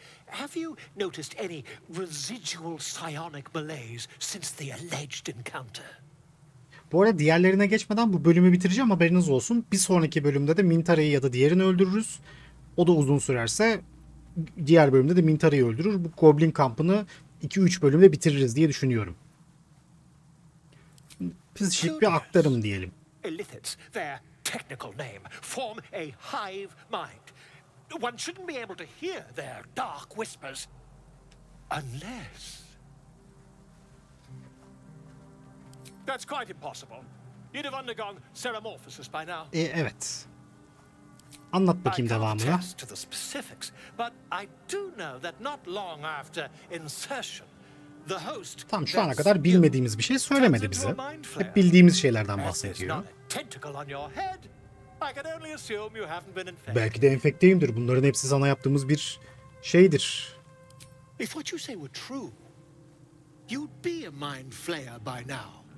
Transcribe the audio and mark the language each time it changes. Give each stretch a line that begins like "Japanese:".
English: Have you noticed any residual psionic malaise since the alleged encounter?
Turkish: Bu arada diğerlerine geçmeden bu bölümü bitireceğim, haberiniz olsun. Bir sonraki bölümde de Mintara'yı ya da diğerini öldürürüz. O da uzun sürerse diğer bölümde de Mintara'yı öldürür. Bu Goblin kampını 2-3 bölümde bitiririz diye düşünüyorum. Biz şık bir aktarım diyelim.
English: Illithids, their technical name, form a hive mind. One shouldn't be able to hear their dark whispers, unless... That's quite impossible. You'd have undergone seramorphosis by now.
Turkish: Evet. Anlat bakayım devamını.
English: I can't attest to the specifics, but I do know that not long after insertion, the host...
Turkish: Tamam, şu ana kadar bilmediğimiz bir şey söylemedi bize. Hep bildiğimiz şeylerden bahsediyor.
English: Tentacle on your head. I can only assume you haven't been infected.
Turkish: Belki de enfekteyimdir. Bunların hepsi sana yaptığımız bir şeydir.
English: If what you say were true, you'd be a mind flayer by now.